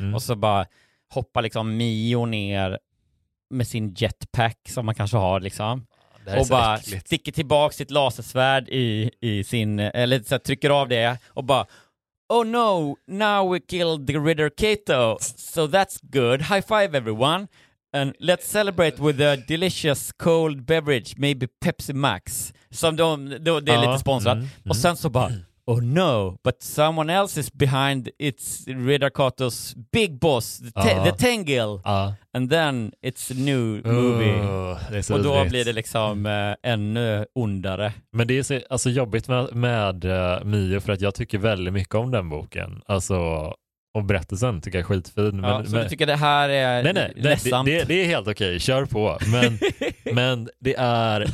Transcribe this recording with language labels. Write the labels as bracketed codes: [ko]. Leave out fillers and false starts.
[sv] Och så bara hoppa liksom Mio ner med sin jetpack som man kanske har liksom. Och bara äckligt. Sticker tillbaka sitt lasersvärd i sin, eller så här, trycker av det och bara, [en] oh no, now we killed the Ridder Kato. So that's good. High five everyone. And let's celebrate with a delicious cold beverage, maybe Pepsi Max. [sv] Som det är lite sponsrat. Och sen så bara, [en] oh no, but someone else is behind, it's Ridder Kato's big boss, the Tengil. And then it's a new movie. [sv] Och då blir det liksom ännu ondare. Men det är så, alltså, jobbigt med Mio, för att jag tycker väldigt mycket om den boken. Alltså... Och berättelsen tycker jag är skitfin. Ja, men, så du tycker det här är ledsamt? Det är helt okej. Kör på. Men, men det är...